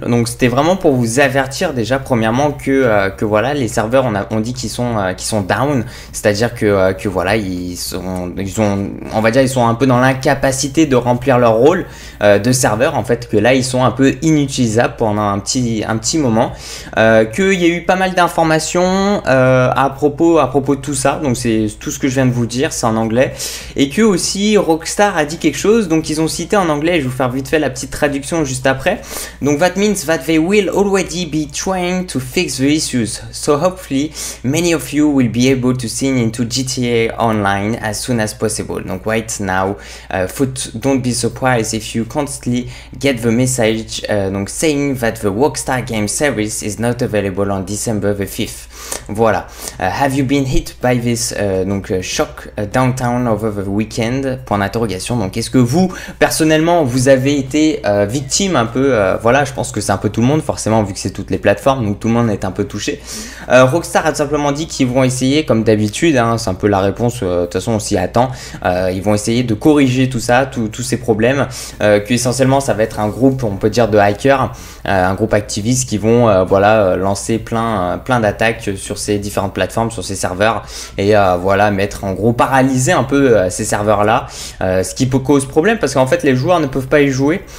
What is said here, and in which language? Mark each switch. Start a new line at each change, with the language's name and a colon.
French: Donc c'était vraiment pour vous avertir déjà premièrement que voilà, les serveurs on dit qu'ils sont down, c'est-à-dire que voilà, on va dire ils sont un peu dans l'incapacité de remplir leur rôle de serveur en fait, que là ils sont un peu inutilisables pendant un petit moment, qu'il y a eu pas mal d'informations à propos de tout ça. Donc c'est tout ce que je viens de vous dire, c'est en anglais, et que aussi Rockstar a dit quelque chose. Donc ils ont cité en anglais, je vais vous faire vite fait la petite traduction juste après. Donc
English: that means that they will already be trying to fix the issues, so hopefully many of you will be able to sign into GTA Online as soon as possible.
French: Donc
English: wait now, don't be surprised if you constantly get the message
French: donc
English: saying that the Rockstar Game Service is not available on this December the 5th.
French: Voilà.
English: Have you been hit by this shock downtown over the weekend?
French: Point d'interrogation. Donc, est-ce que vous, personnellement, vous avez été victime un peu? Voilà, je pense que c'est un peu tout le monde, forcément, vu que c'est toutes les plateformes, donc tout le monde est un peu touché. Rockstar a tout simplement dit qu'ils vont essayer, comme d'habitude, hein, c'est un peu la réponse, de toute façon, on s'y attend. Ils vont essayer de corriger tout ça, tous ces problèmes, qu'essentiellement, ça va être un groupe, on peut dire, de hackers, un groupe activiste qui vont voilà, lancer plein d'attaques sur ces différentes plateformes, sur ces serveurs, et voilà, mettre en gros paralyser un peu ces serveurs-là, ce qui peut cause problème parce qu'en fait les joueurs ne peuvent pas y jouer.